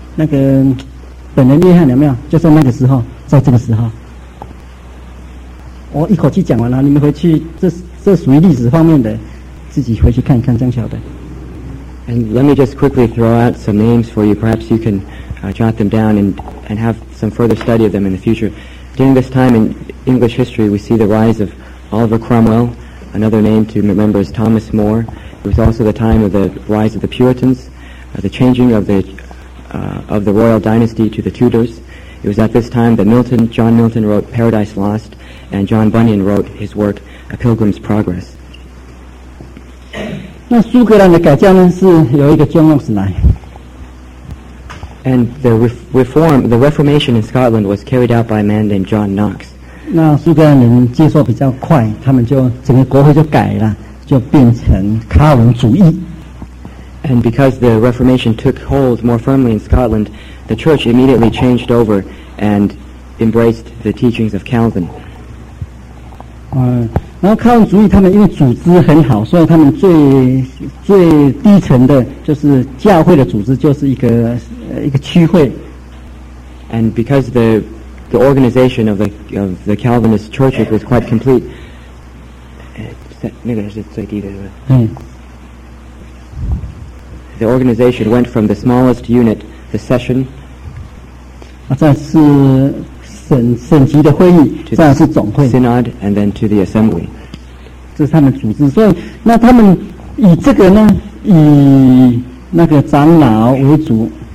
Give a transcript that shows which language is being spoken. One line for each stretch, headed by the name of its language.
Chinese: 那个本人约翰有没有？就在那个时候，在这个时候，我一口气讲完了，你们回去，这属于历史方面的。自己回去看一看，这样晓得。
English: And let me just quickly throw out some names for you. Perhaps you can jot them down and have some further study of them in the future. During this time in English history, we see the rise of Oliver Cromwell. Another name to remember is Thomas More. It was also the time of the rise of the Puritans, the changing of the royal dynasty to the Tudors. It was at this time that John Milton wrote Paradise Lost, and John Bunyan wrote his work A Pilgrim's Progress.
Chinese: 那苏格兰的改教呢，是有一个 John Knox 来。
English: And the Reformation in Scotland was carried out by a man named John Knox.
Chinese: 那苏格兰人接受比较快，他们就整个国会就改了，就变成卡尔文主义。
English: And because the Reformation took hold more firmly in Scotland, the church immediately changed over and embraced the teachings of Calvin.
Chinese: 然后卡尔文主义他们因为组织很好，所以他们最低层的就是教会的组织，就是一个区会。
English: And because the organization of the Calvinist churches was quite complete，
Chinese: 那个是最低的是吧？嗯。
English: the organization went from the smallest unit, the session,
Chinese: 再是省级的会议,
English: to the synod, and then to the assembly.
Chinese: 这是他们组织，所以那他们以这个呢，以那个长老为主。